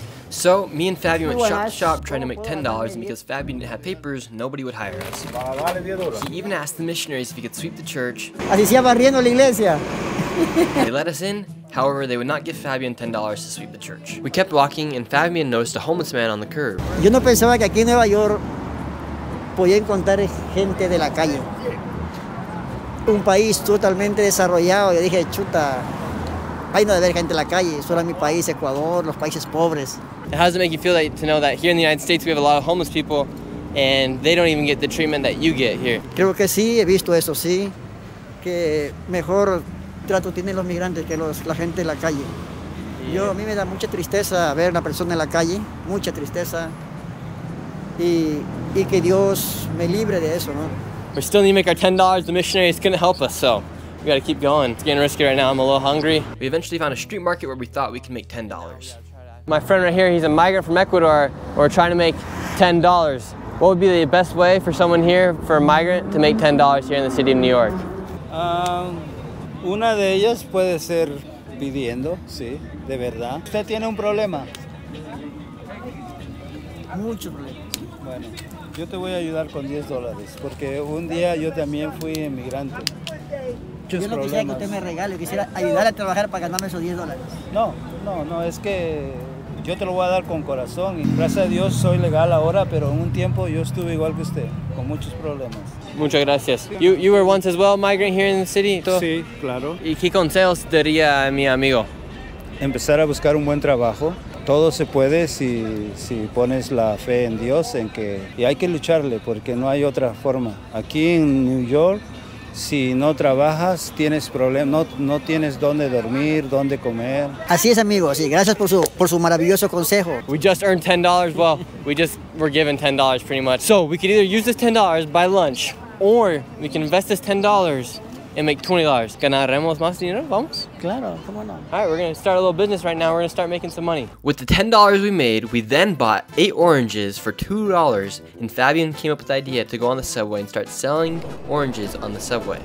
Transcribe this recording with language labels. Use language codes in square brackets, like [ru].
[en] So, me and Fabian went shop to shop trying to make $10, and because Fabian didn't have papers, nobody would hire us. He even asked the missionaries if he could sweep the church. [es] Así se va barriendo la iglesia. [en] They let us in. However, they would not give Fabian $10 to sweep the church. We kept walking, and Fabian noticed a homeless man on the curb. [es] Yo no pensaba que aquí en Nueva York podía encontrar gente de la calle. Un país totalmente desarrollado. Yo dije, chuta, ahí no debe haber gente en la calle. Solo en mi país, Ecuador, los países pobres. [en] How does it make you feel that, to know that here in the United States we have a lot of homeless people and they don't even get the treatment that you get here? [es] Creo que sí, he visto eso, sí. Que mejor trato tienen los migrantes que la gente en la calle. Yeah. A mí me da mucha tristeza ver a una persona en la calle, mucha tristeza. Y que Dios me libre de eso, ¿no? [en] We still need to make our $10. The missionaries couldn't help us, so we gotta keep going. It's getting risky right now. I'm a little hungry. We eventually found a street market where we thought we could make $10. My friend right here, he's a migrant from Ecuador. We're trying to make $10. What would be the best way for someone here, for a migrant, to make $10 here in the city of New York? [es] Una de ellas puede ser pidiendo, sí, de verdad. ¿Usted tiene un problema? Mucho problema. Bueno, yo te voy a ayudar con $10, porque un día yo también fui inmigrante. Yo no quisiera que usted me regale, quisiera ayudar a trabajar para ganarme esos $10. No, es que yo te lo voy a dar con corazón. Y gracias a Dios soy legal ahora, pero en un tiempo yo estuve igual que usted, con muchos problemas. Muchas gracias. [en] You were once as well a migrant here in the city? [es] Sí, claro. ¿Y qué consejos daría a mi amigo? Empezar a buscar un buen trabajo. Todo se puede si pones la fe en Dios, en que, y hay que lucharle porque no hay otra forma. Aquí en New York, si no trabajas, tienes problemas, no tienes dónde dormir, dónde comer. Así es, amigo, sí, gracias por su maravilloso consejo. [en] We just earned $10, well, we just were given $10 pretty much. So we could either use this $10 by lunch, or we can invest this $10 and make $20. [es] ¿Ganaremos más dinero? ¿Vamos? Claro, cómo no. [en] All right, we're going to start a little business right now. We're going to start making some money. With the $10 we made, we then bought 8 oranges for $2, and Fabian came up with the idea to go on the subway and start selling oranges on the subway.